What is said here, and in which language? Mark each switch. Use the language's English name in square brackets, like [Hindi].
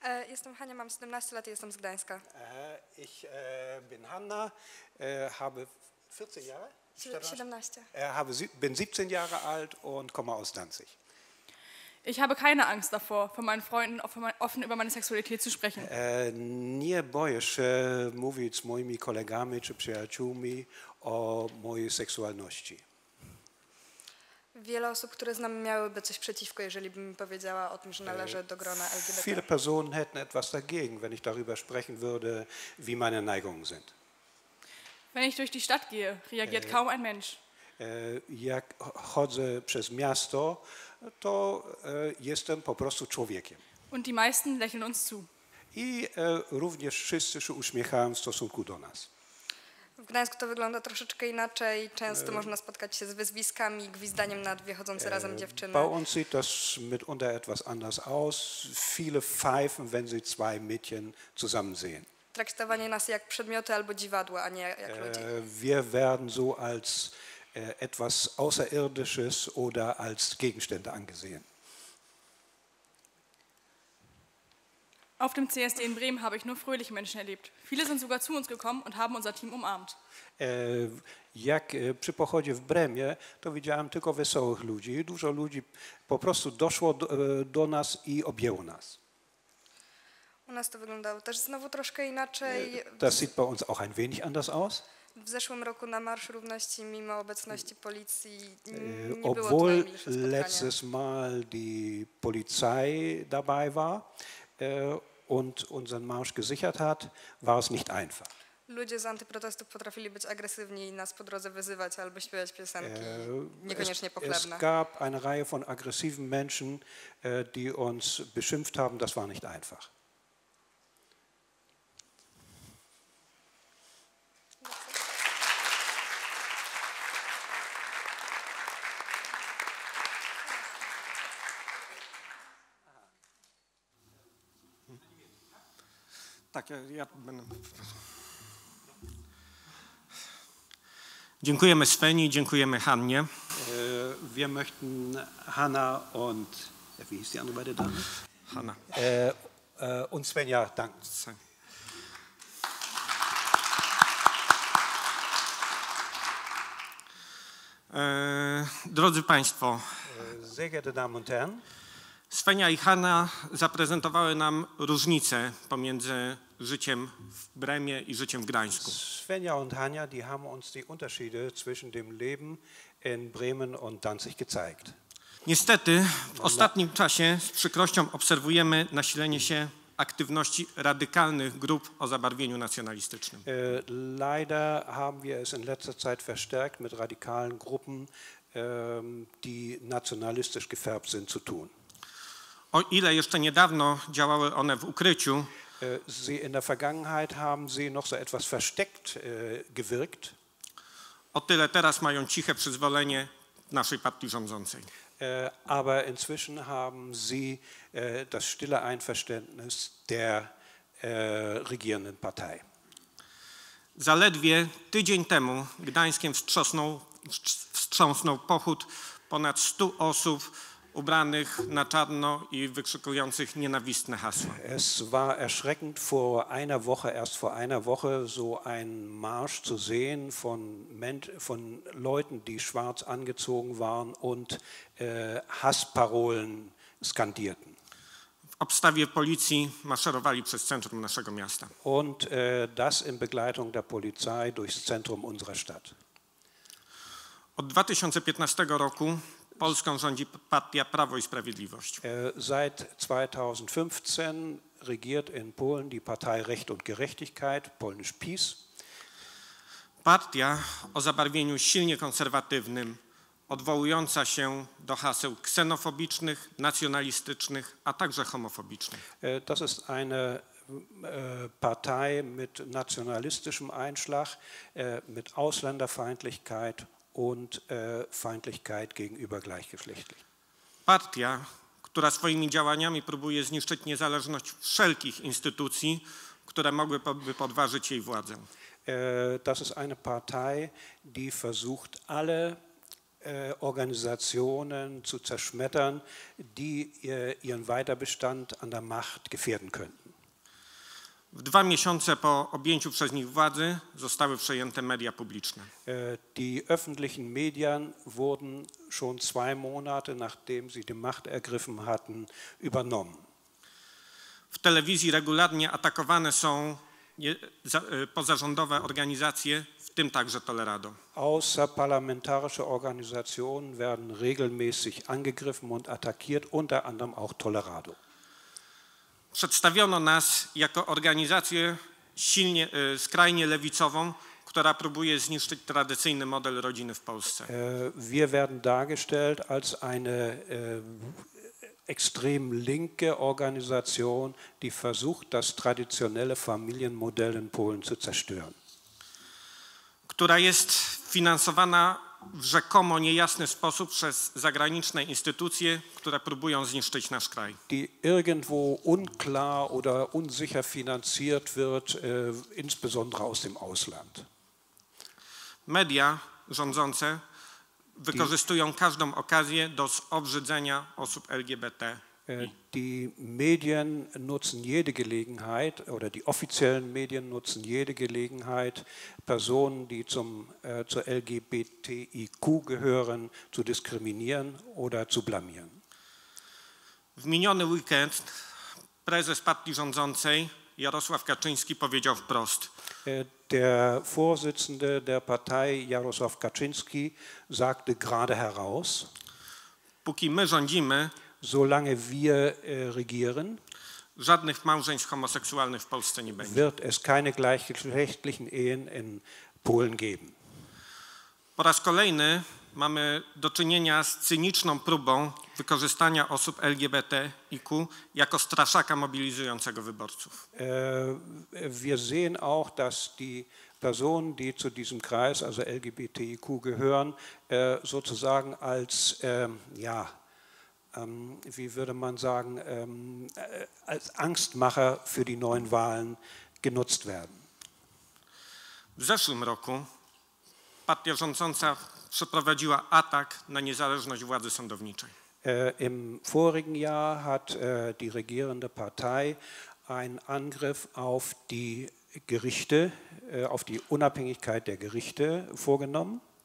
[Polish] Jestem Hania, mam 17 lat i jestem z Gdańska. [German] Ich bin Hanna, habe 14 Jahre. 17. Bin 17 Jahre alt und komme aus Danzig. Ich habe keine Angst davor, von meinen Freunden offen über meine Sexualität zu sprechen. [Polish] Nie boję się mówić z moimi kolegami czy przyjaciółmi o mojej seksualności. Wiele osób, które znam, miałyby coś przeciwko, jeżeli bym powiedziała o tym, że należę do grona LGBT. [German] Viele Personen hätten etwas dagegen, wenn ich darüber sprechen würde, wie meine Neigungen sind. Wenn ich durch die Stadt gehe, reagiert kaum ein Mensch. [Polish] Jak chodzę przez miasto, to jestem po prostu człowiekiem. [German] Und die meisten lächeln uns zu. [Polish] I również wszyscy się uśmiechają w stosunku do nas. W Gdańsku to wygląda troszeczkę inaczej. Często można spotkać się z wyzwiskami, gwizdaniem na dwie chodzące razem dziewczyny. [German] Bei uns sieht das mitunter etwas anders aus. Viele pfeifen, wenn sie zwei Mädchen zusammen sehen. [Polish] Traktowanie nas jak przedmioty albo dziwadła, a nie jak ludzi. [German] Wir werden so als etwas Außerirdisches oder als Gegenstände angesehen. Auf dem CSD in Bremen habe ich nur fröhliche Menschen erlebt. Viele sind sogar zu uns gekommen und haben unser Team umarmt. [Polish] Jak przy pochodzie w Bremie, to widziałem tylko wesołych ludzi. Dużo ludzi po prostu doszło do nas i objęło nas. U nas to wyglądało też znowu troszkę inaczej. [German] Das sieht bei uns auch ein wenig anders aus. [Polish] w zeszłym roku na Marsz Równości mimo obecności policji nie [German] obwohl [Polish] było tutaj spotkania. [German] Letztes Mal die Polizei dabei war und unseren Marsch gesichert hat, war es nicht einfach. [Polish] Ludzie z antyprotestu potrafili być agresywni i nas po drodze wyzywać albo śpiewać piosenki niekoniecznie pochlebne. [German] Es gab eine Reihe von aggressiven Menschen, die uns beschimpft haben, das war nicht einfach. [Polish] Tak, ja będę. Dziękujemy Sveni, dziękujemy Hannie. [German] Wir möchten Hanna und wie hieß die andere beide Dame? Hanna. Und Svenja danken. [Polish] Drodzy Państwo. [German] Sehr geehrte Damen und Herren. [Polish] Svenja i Hanna zaprezentowały nam różnicę pomiędzy życiem w Bremie i życiem w Gdańsku. [German] Svenja und Hanna, die haben uns die Unterschiede zwischen dem Leben in Bremen und Danzig gezeigt. [Polish] Niestety, w ostatnim czasie z przykrością obserwujemy nasilenie się aktywności radykalnych grup o zabarwieniu nacjonalistycznym. [German] Leider haben wir es in letzter Zeit verstärkt mit radikalen Gruppen, die nationalistisch gefärbt sind, zu tun. [Polish] O ile jeszcze niedawno działały one w ukryciu. [German] Sie in der Vergangenheit haben sie noch so etwas versteckt gewirkt. [Polish] O tyle teraz mają ciche przyzwolenie naszej partii rządzącej. [German] Aber inzwischen haben sie das stille Einverständnis der regierenden Partei. [Polish] Zaledwie tydzień temu Gdańskiem wstrząsnął pochód ponad 100 osób ubranych na czarno i wykrzykujących nienawistne hasła. [German] Es war erschreckend vor einer Woche, erst vor einer Woche, so ein Marsch zu sehen von Leuten, die schwarz angezogen waren und Hassparolen skandierten. [Polish] W obstawie policji maszerowali przez centrum naszego miasta. [German] Und das in Begleitung der Polizei durchs Zentrum unserer Stadt. [Polish] Od 2015 roku Polską rządzi Partia Prawo i Sprawiedliwość. [German] Seit 2015 regiert in Polen die Partei Recht und Gerechtigkeit, polnisch PiS. [Polish] Partia o zabarwieniu silnie konserwatywnym, odwołująca się do haseł ksenofobicznych, nacjonalistycznych, a także homofobicznych. [German] Das ist eine Partei mit nacjonalistischem Einschlag, mit Ausländerfeindlichkeit und Feindlichkeit gegenüber Gleichgeschlechtlich. [Polish] Partia, która swoimi działaniami próbuje zniszczyć niezależność wszelkich instytucji, które mogłyby podważyć jej władzę. [German] Das ist eine Partei, die versucht, alle Organisationen zu zerschmettern, die ihren Weiterbestand an der Macht gefährden könnten. [Polish] W dwa miesiące po objęciu przez nich władzy zostały przejęte media publiczne. [German] Die öffentlichen Medien wurden schon zwei Monate, nachdem sie die Macht ergriffen hatten, übernommen. [Polish] W telewizji regularnie atakowane są pozarządowe organizacje, w tym także Tolerado. [German] Außerparlamentarische Organisationen werden regelmäßig angegriffen und attackiert, unter anderem auch Tolerado. [Polish] Przedstawiono nas jako organizację silnie, skrajnie lewicową, która próbuje zniszczyć tradycyjny model rodziny w Polsce. [German] Wir werden dargestellt als eine extrem linke Organisation, die versucht, das traditionelle Familienmodell in Polen zu zerstören. [Polish] Która jest finansowana w rzekomo niejasny sposób przez zagraniczne instytucje, które próbują zniszczyć nasz kraj. [German] Die irgendwo unklar oder unsicher finanziert wird, insbesondere aus dem Ausland. [Polish] Media rządzące wykorzystują każdą okazję do zobrzydzenia osób LGBT. [German] Die Medien nutzen jede Gelegenheit, oder die offiziellen Medien nutzen jede Gelegenheit, Personen, die zur LGBTIQ gehören, zu diskriminieren oder zu blamieren. [Polish] W miniony weekend prezes partii rządzącej Jarosław Kaczyński powiedział wprost. [German] Der Vorsitzende der Partei Jarosław Kaczyński sagte gerade heraus. [Polish] Póki my rządzimy, [German] solange wir regieren, [Polish] żadnych małżeństw homoseksualnych w Polsce nie będzie. [German] Wird es keine gleichgeschlechtlichen Ehen in Polen geben. [Polish] Po raz kolejny mamy do czynienia z cyniczną próbą wykorzystania osób LGBTIQ jako straszaka mobilizującego wyborców. [German] Wir sehen auch, dass die Personen, die zu diesem Kreis, also LGBTIQ, gehören, sozusagen als, ja, wie würde man sagen, als Angstmacher für die neuen Wahlen genutzt werden. [Polish] W zeszłym roku partia rządząca przeprowadziła atak na niezależność władzy sądowniczej. [German] Im vorigen Jahr hat die regierende Partei einen Angriff auf die Gerichte, auf die Unabhängigkeit der Gerichte vorgenommen.